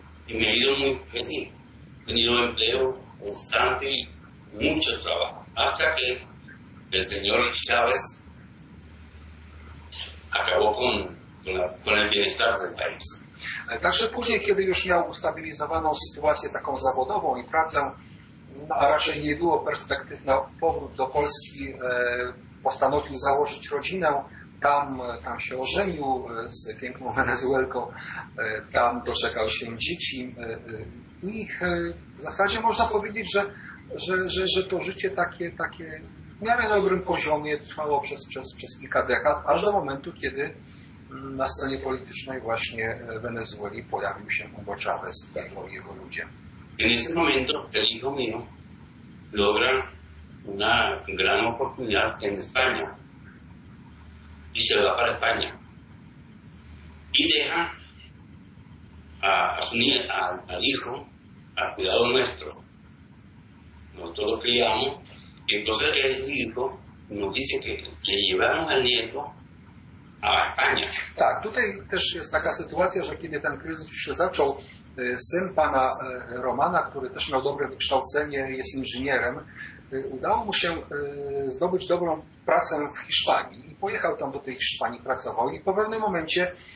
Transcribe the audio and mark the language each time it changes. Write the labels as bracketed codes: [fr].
[es] Y me ha ido muy bien. He tenido empleo constante. Mucho trabajo, hasta que el señor Chávez acabó con el bienestar del país. [pl] Także później, kiedy już miał ustabilizowaną sytuację taką zawodową i pracę, no, a raczej nie było perspektyw na powrót do Polski, postanowił założyć rodzinę. Tam się ożenił z piękną Wenezuelką, tam doczekał się dzieci. I w zasadzie można powiedzieć, że to życie takie w miarę na dobrym poziomie trwało przez kilka dekad, aż do momentu, kiedy na scenie politycznej właśnie Wenezueli pojawił się Hugo Chávez i jego ludzie. [es] En ese momento el hijo mío logra una gran oportunidad en España y se va para España. y deja al hijo al cuidado nuestro. Nosotros lo criamos, y entonces el hijo nos dice que le llevaron al nieto a España. [pl] Tak, tutaj też jest taka sytuacja, że kiedy ten kryzys już się zaczął, syn pana Romana, który też miał dobre wykształcenie, jest inżynierem, udało mu się zdobyć dobrą pracę w Hiszpanii i pojechał tam do tej Hiszpanii, pracował i po pewnym momencie